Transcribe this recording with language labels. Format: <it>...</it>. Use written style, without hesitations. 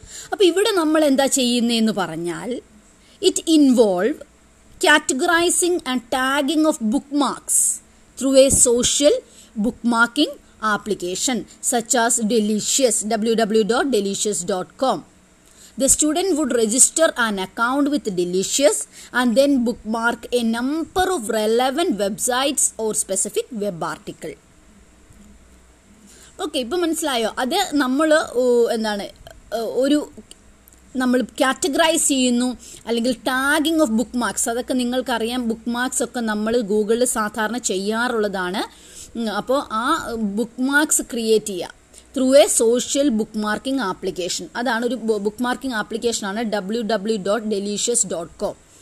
<ml>അപ്പോൾ ഇവിടെ നമ്മൾ എന്താ ചെയ്യുന്നതെന്ന് പറഞ്ഞാൽ,</ml> <en>It involve categorising and tagging of bookmarks through a social bookmarking application such as delicious www.delicious.com. the student would register an account with delicious and then bookmark a number of relevant websites or specific web article.</en> <ml>Okay, ipo manasilayo adu nammal endane oru നമ്മൾ categorise ചെയ്യുന്നു അല്ലെങ്കിൽ</ml> <en>Tagging of bookmarks.</en> <ml>അതൊക്കെ നിങ്ങൾക്കറിയാം, book marks ഒക്കെ നമ്മൾ ഗൂഗിളിൽ സാധാരണ ചെയ്യാറുള്ളതാണ്. അപ്പോൾ ആ ബുക്ക് മാർക്സ് ക്രിയേറ്റ് ചെയ്യുക</ml> <en>through a social bookmarking application,</en> <ml>അതാണ് ഒരു ബുക്ക് മാർക്കിംഗ് ആപ്ലിക്കേഷനാണ് www.delicious.com.</ml>